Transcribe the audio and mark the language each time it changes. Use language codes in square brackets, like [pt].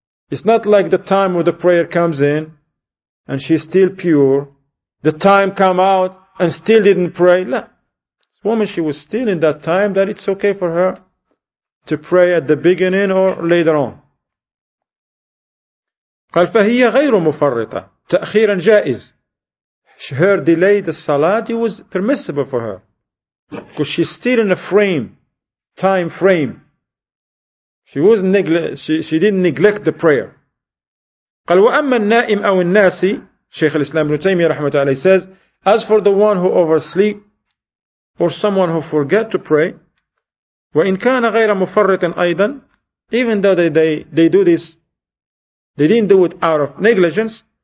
[en] It's not like the time when the prayer comes in and she's still pure. The time come out and still didn't pray. No. This woman, she was still in that time that it's okay for her to pray at the beginning or later on. [ar] قال فهي غير مفرطة تأخيرا جائز. [en] Her delay the salat, it was permissible for her, because she's still in a frame, time frame. She didn't neglect the prayer. [ar] قال وأما النائم أو الناسي, شيخ الإسلام ابن تيمية رحمه الله [en] says, as for the one who oversleep or someone who forget to pray, [ar] وإن كان غير مفرط أيضا, [en] even though they do this, they didn't do it out of negligence.